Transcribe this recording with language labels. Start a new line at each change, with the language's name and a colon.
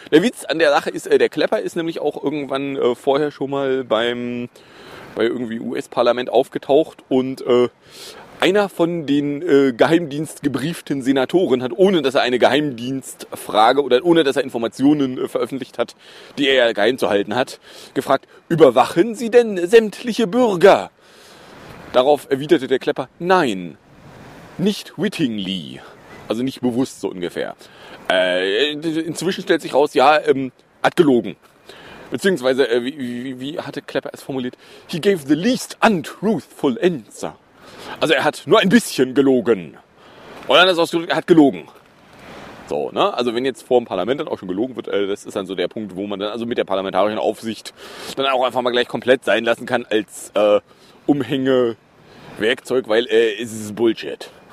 German: Der Witz an der Sache ist, der Clapper ist nämlich auch irgendwann vorher schon mal bei irgendwie US-Parlament aufgetaucht und einer von den geheimdienstgebrieften Senatoren hat, ohne dass er eine Geheimdienstfrage oder ohne dass er Informationen veröffentlicht hat, die er ja geheim zu halten hat, gefragt, überwachen Sie denn sämtliche Bürger? Darauf erwiderte der Clapper, nein, nicht wittingly, also nicht bewusst so ungefähr. Inzwischen stellt sich raus, ja, hat gelogen. Beziehungsweise, wie hatte Clapper es formuliert?
English: He gave the least untruthful answer.
German: Also er hat nur ein bisschen gelogen. Und anders ausgedrückt, er hat gelogen. So, ne? Also wenn jetzt vor dem Parlament dann auch schon gelogen wird, das ist dann so der Punkt, wo man dann also mit der parlamentarischen Aufsicht dann auch einfach mal gleich komplett sein lassen kann als Umhängewerkzeug, weil es ist Bullshit.